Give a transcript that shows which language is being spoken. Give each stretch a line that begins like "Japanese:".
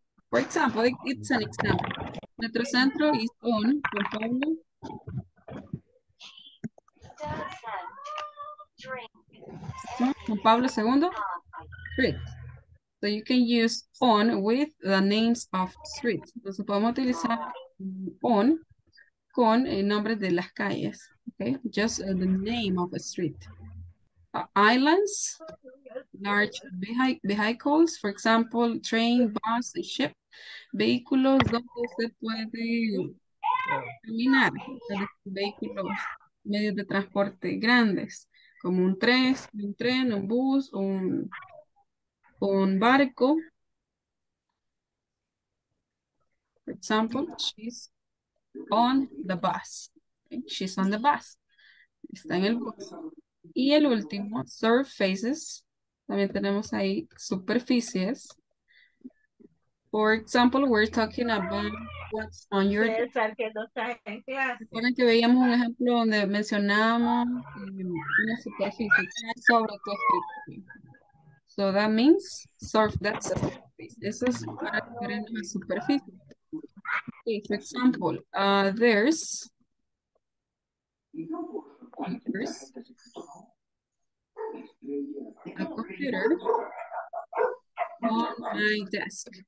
English: For example, it's an example. Metro Centro is on.
Spanish: Por favor. Juan Pablo II. Street.
English: So you can use on with the names of streets.
Spanish: Entonces podemos utilizar on con el nombre de las calles.
English: Okay, just the name of a street. Islands, large vehicles, for example, train, bus, ship.
Spanish: Vehículos donde se puede caminar. Vehículos. Medios de transporte grandes, como un tren, un bus, un barco.
English: For example, she's on the bus. She's on the bus.
Spanish: Está en el bus. Y el último, surfaces. También tenemos ahí superficies.
English: For example, we're talking about what's on your desk.
Spanish: Recuerden que veíamos un ejemplo donde mencionábamos una superficie sobre tu escritorio.
English: So that means surface. That's a surface.
Spanish: Eso es para referirnos a superficie.
English: Okay, for example, there's a computer on my desk.